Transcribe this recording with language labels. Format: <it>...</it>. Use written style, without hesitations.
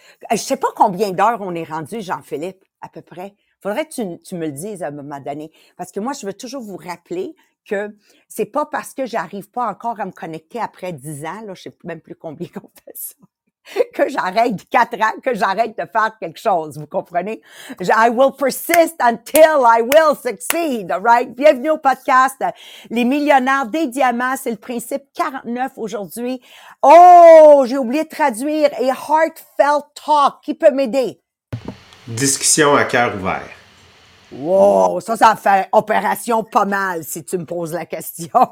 <fr>Je sais pas combien d'heures on est rendu, Jean-Philippe, à peu près. Faudrait que tu me le dises à un moment donné. Parce que moi, je veux toujours vous rappeler que c'est pas parce que j'arrive pas encore à me connecter après 10 ans, là, je sais même plus combien qu'on fait ça, que j'arrête 4 ans, que j'arrête de faire quelque chose, vous comprenez?</fr> <en>I will persist until I will succeed, right?</en> <fr>Bienvenue au podcast Les millionnaires des diamants, c'est le principe 49 aujourd'hui. Oh, j'ai oublié de traduire,</fr> <en>a heartfelt talk,</en> <fr>qui peut m'aider? Discussion à cœur ouvert. Wow, ça fait opération pas mal si tu me poses la question.</fr>